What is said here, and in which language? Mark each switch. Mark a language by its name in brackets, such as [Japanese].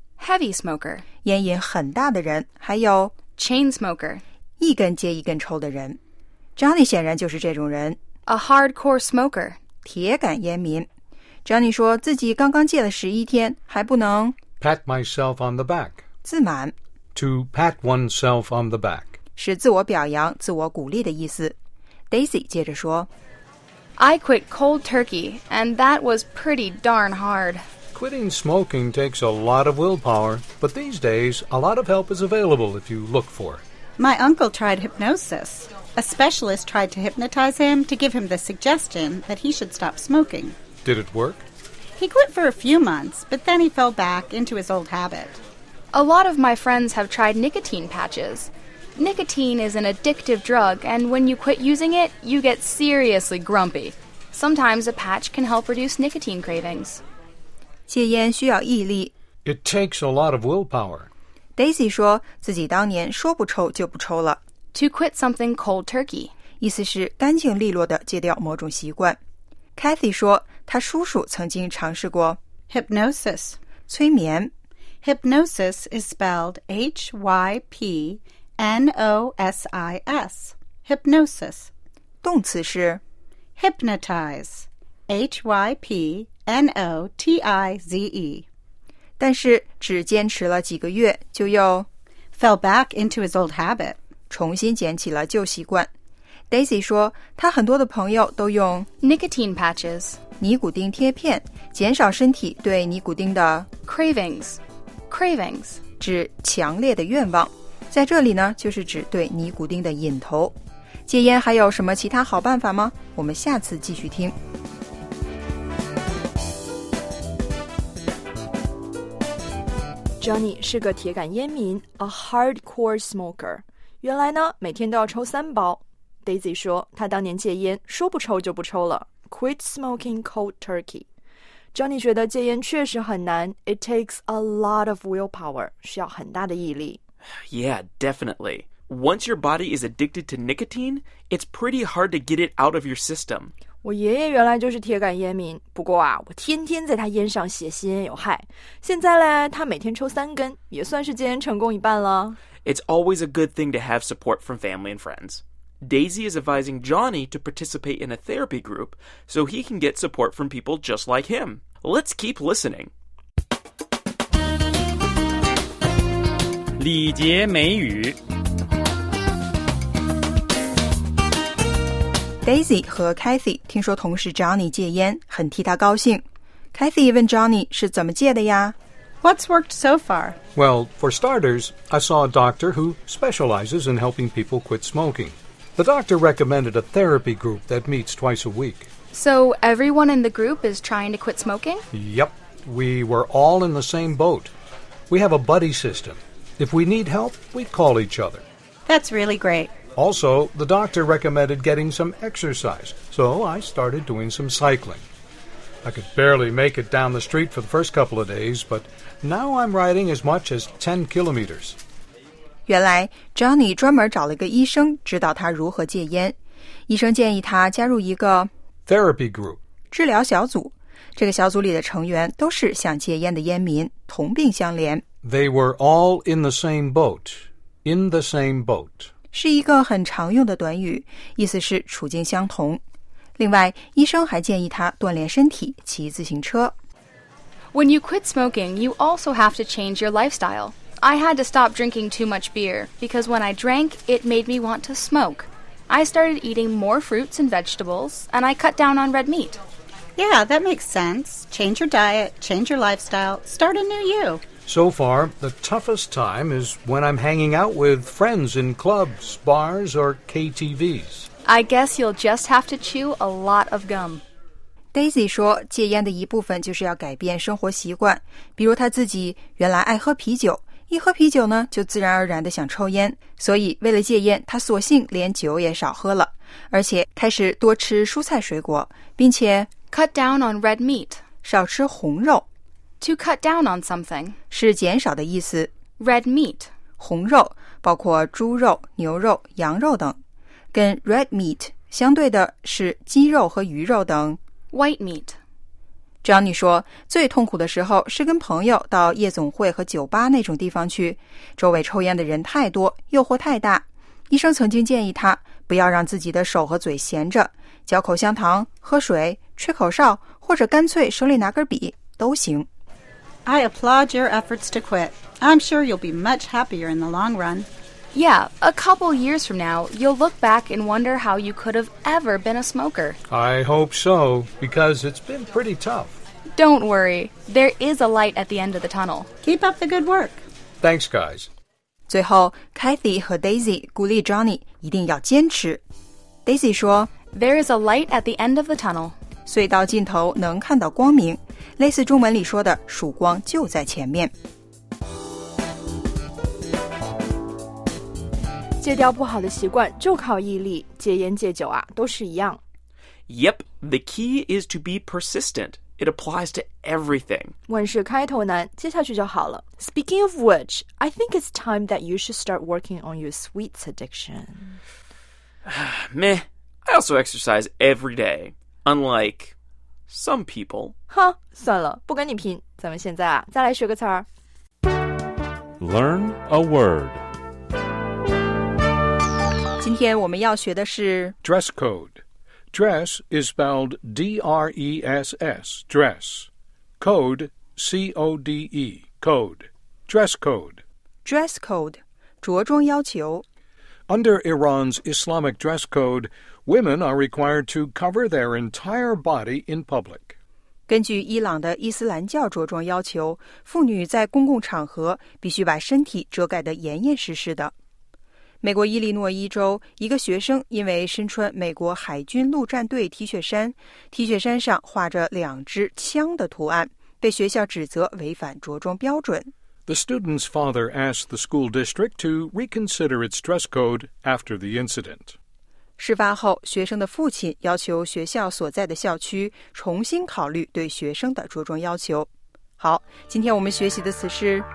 [English] heavy smoker， [Chinese] 烟瘾很大的人，还有 [English] chain smoker， [Chinese] 一根接一根抽的人。 Johnny 显然就是这种人 [English] a hardcore smoker， [Chinese] 铁杆烟民。 Johnny 说自己刚刚戒了11天还不能 [English] pat myself on the back， [Chinese] 自满 [English] to pat oneself on the back [Chinese] 是自我表扬、自我鼓励的意思。Daisy 接着说 [English] I quit cold turkey, and that was pretty darn hard. Quitting smoking takes a lot of willpower, but these days, a lot of help is available if you look for it. My uncle tried hypnosis. A specialist tried to hypnotize him to give him the suggestion that he should stop smoking. Did it work? He quit for a few months, but then he fell back into his old habit. A lot of my friends have tried nicotine patches. Nicotine is an addictive drug, and when you quit using it, you get seriously grumpy. Sometimes a patch can help reduce nicotine cravings. [Chinese] 戒烟需要毅力。 [English] It takes a lot of willpower. [Chinese] Daisy 说自己当年说不抽就不抽了。 [English] To quit something cold turkey. [Chinese] 意思是干净利落地戒掉某种习惯。Kathy 说她叔叔曾经尝试过 [English] Hypnosis. [Chinese] 催眠。 [English] Hypnosis is spelled H-Y-P-N-O-S-I-S. Hypnosis. [Chinese] 动词是 [English] Hypnotize. H-Y-P-N-O-T-I-Z-E. [Chinese] 但是只坚持了几个月就又 [English] fell back into his old habit. [Chinese] 重新捡起了旧习惯。 Daisy 说她很多的朋友都用 [English] nicotine patches. [Chinese] 尼古丁贴片减少身体对尼古丁的 [English] cravings. Cravings [Chinese] 指强烈的愿望，在这里呢，就是指对尼古丁的瘾头。戒烟还有什么其他好办法吗？我们下次继续听。 Johnny 是个铁杆烟民 ， [English] a hardcore smoker。 [Chinese] 原来呢，每天都要抽三包。Daisy 说，他当年戒烟，说不抽就不抽了 ， [English] quit smoking cold turkey。 [Chinese] Johnny 觉得戒烟确实很难 [English] It takes a lot of willpower [Chinese] 需要很大的毅力 [English] Yeah, definitely Once your body is addicted to nicotine It's pretty hard to get it out of your system [Chinese] 我爷爷原来就是铁杆烟民不过啊我天天在他烟上写吸烟有害现在呢他每天抽三根也算是戒烟成功一半了 [English] It's always a good thing to have support from family and friends Daisy is advising Johnny to participate in a therapy group so he can get support from people just like him. Let's keep listening. [Chinese] 礼节美语 Daisy 和 Kathy 听说同事 Johnny 戒烟很替他高兴。 Kathy 问 Johnny 是怎么戒的呀 [English] What's worked so far? Well, for starters, I saw a doctor who specializes in helping people quit smoking. The doctor recommended a therapy group that meets twice a week. So everyone in the group is trying to quit smoking? Yep. We were all in the same boat. We have a buddy system. If we need help, we call each other. That's really great. Also, the doctor recommended getting some exercise, so I started doing some cycling. I could barely make it down the street for the first couple of days, but now I'm riding as much as 10 kilometers. [Chinese] 原来 Johnny 专门找了一个医生指导他如何戒烟。医生建议他加入一个 [English] therapy group [Chinese] 治疗小组。这个小组里的成员都是想戒烟的烟民，同病相怜。 [English] They were all in the same boat. In the same boat [Chinese] 是一个很常用的短语，意思是处境相同。另外，医生还建议他锻炼身体，骑自行车。 [English] When you quit smoking, you also have to change your lifestyle. I had to stop drinking too much beer because when I drank, it made me want to smoke. I started eating more fruits and vegetables, and I cut down on red meat. Yeah, that makes sense. Change your diet, change your lifestyle, start a new you. So far, the toughest time is when I'm hanging out with friends in clubs, bars, or KTVs. I guess you'll just have to chew a lot of gum. [Chinese] Daisy 说戒烟的一部分就是要改变生活习惯比如她自己原来爱喝啤酒一喝啤酒呢就自然而然地想抽烟所以为了戒烟她索性连酒也少喝了而且开始多吃蔬菜水果并且 [English] cut down on red meat [Chinese] 少吃红肉 [English] to cut down on something [Chinese] 是减少的意思 [English] red meat [Chinese] 红肉包括猪肉牛肉羊肉等跟 red meat 相对的是鸡肉和鱼肉等 [English] White meat. [Chinese] Johnny 说最痛苦的时候是跟朋友到夜总会和酒吧那种地方去周围抽烟的人太多诱惑太大医生曾经建议他不要让自己的手和嘴闲着嚼口香糖喝水吹口哨或者干脆手里拿根笔都行 [English] I applaud your efforts to quit I'm sure you'll be much happier in the long run Yeah, a couple years from now, you'll look back and wonder how you could have ever been a smoker. I hope so, because it's been pretty tough. Don't worry. There is a light at the end of the tunnel. Keep up the good work. Thanks, guys. [Chinese] 最后 ,Kathy 和 Daisy 鼓励 Johnny 一定要坚持。 Daisy 说 [English] ,There is a light at the end of the tunnel. [Chinese] 隧道尽头能看到光明。类似中文里说的曙光就在前面。戒掉不好的习惯就靠毅力，戒烟戒酒啊，都是一样。 [English] Yep, the key is to be persistent. It applies to everything. [Chinese] 万事开头难，接下去就好了。 [English] Speaking of which, I think it's time that you should start working on your sweets addiction. Meh, I also exercise every day, unlike some people. [Chinese] 哈，算了，不跟你拼，咱们现在啊，再来学个词儿。 [English] Learn a word. [Chinese] 今天我们要学的是 [English] dress code. Dress is spelled D-R-E-S-S, dress. Code, C-O-D-E, code. Dress code. [Chinese] Dress code, 着装要求。 [English] Under Iran's Islamic dress code, women are required to cover their entire body in public. [Chinese] 根据伊朗的伊斯兰教着装要求，妇女在公共场合必须把身体遮盖得严严实实的。美国伊利诺伊州一个学生因为身穿美国海军陆战队 T 恤衫 T 恤衫上画着两支枪的图案被学校指责违反着装标准 [English] The student's father asked the school district to reconsider its dress code after the incident [Chinese] 事发后学生的父亲要求学校所在的校区重新考虑对学生的着装要求好今天我们学习的词是